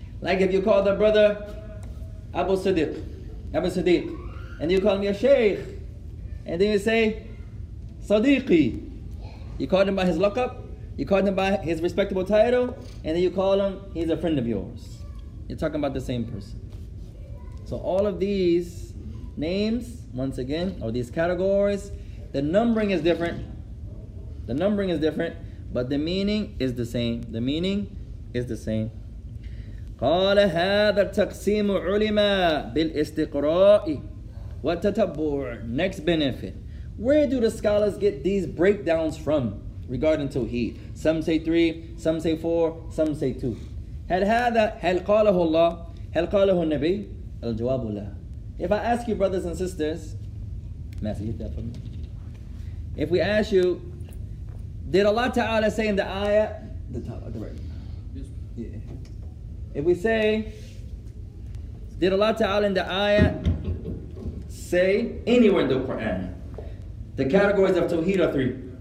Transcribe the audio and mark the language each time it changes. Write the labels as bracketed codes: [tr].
[en] Like if you call the brother Abu Siddiq, and you call me a sheikh, and then you say Sadiqi, you call him by his laqab, you call him by his respectable title, and then you call him, he's a friend of yours. You're talking about the same person. So all of these names, once again, or these categories, the numbering is different, but the meaning is the same. The meaning is the same. [ar] قال هذا التقسيم علم بالاستقراء والتتبع. [en] Next benefit. Where do the scholars get these breakdowns from regarding Tawheed? Some say three, some say four, some say two. [ar] هل هذا هل قاله الله هل قاله النبي الجواب لا. [en] If I ask you, brothers and sisters, Master, hit that for me. If we ask you, did Allah Ta'ala say in the ayah, the top of the right? Yes. Yeah. If we say, did Allah Ta'ala in the ayah say anywhere in the Quran, the categories of Tawheed are three.